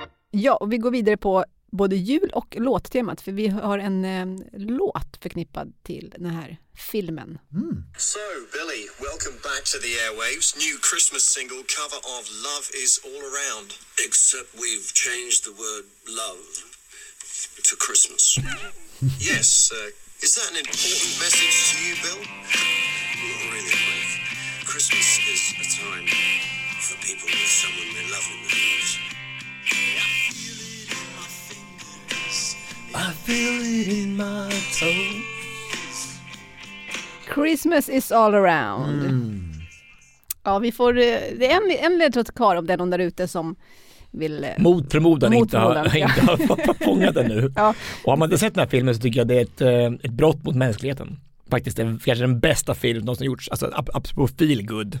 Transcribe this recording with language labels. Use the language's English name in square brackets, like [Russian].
[Swedish] Ja, och vi går vidare på både jul- och låttemat. För vi har en låt förknippad till den här filmen. Mm. [English] So, Billy, welcome back to the airwaves. New Christmas single cover of Love Is All Around. Except we've changed the word love to Christmas. Yes, is that an important message to you, Bill? Not really, but Christmas is a time for people with someone they love in their lives. I feel it in my toes. Christmas is all around. [Swedish] Ja, vi får det är en ledtråd kvar om det är någon där ute som vill mot förmodan inte har fångat den nu. Ja. Och har man inte sett den här filmen så tycker jag det är ett brott mot mänskligheten. Faktiskt det är kanske den bästa filmen någonsin gjorts, alltså apropå feel good.